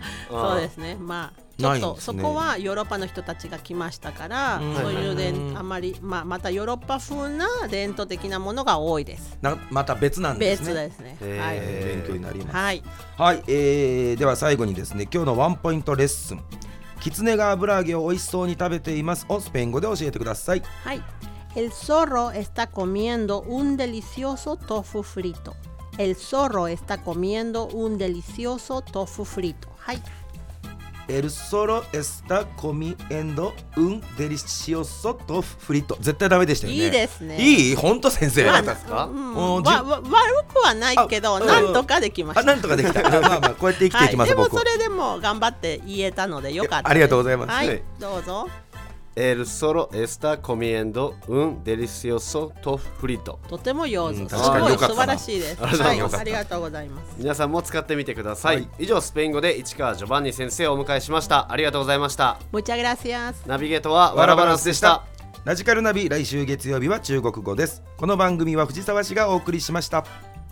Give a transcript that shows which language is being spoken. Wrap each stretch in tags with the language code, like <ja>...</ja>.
<ja>そうですね、まあ、ちょっとそこはヨーロッパの人たちが来ましたから、そういうあまり、まあ、またヨーロッパ風な伝統的なものが多いです。また別なんですね。別ですね、はい、勉強になります。はい、はい、では最後にですね、今日のワンポイントレッスン、キツネが油揚げを美味しそうに食べていますをスペイン語で教えてください。はい、</ja> <es>El zorro está comiendo un delicioso tofu frito. El zorro está comiendo un delicioso tofu frito.</es> <ja>はい。</ja> <es>El zorro está comiendo un delicioso tofu frito.</es> <ja>絶対ダメでしたよね。いいですね。いい、本当先生。どうですか？悪くはないけど、なんとかできました。なんとかできた。まあまあ、こうやって生きていきます、い、僕。でもそれでも頑張って言えたのでよかったです。ありがとうございます。はい、どうぞ。</ja> <es>El solo está comiendo un delicioso tofu frito.</es> <ja>とても上手、確かに良かった、素晴らしいです。ありがとうございます、はい、ありがとうございます。皆さんも使ってみてください、はい、以上、スペイン語で市川ジョバンニ先生をお迎えしました。ありがとうございました。</ja> <es>Muchas gracias。</es> <ja>ナビゲートはワラバランスでした。ラジカルナビ、来週月曜日は中国語です。この番組は藤沢市がお送りしました。</ja>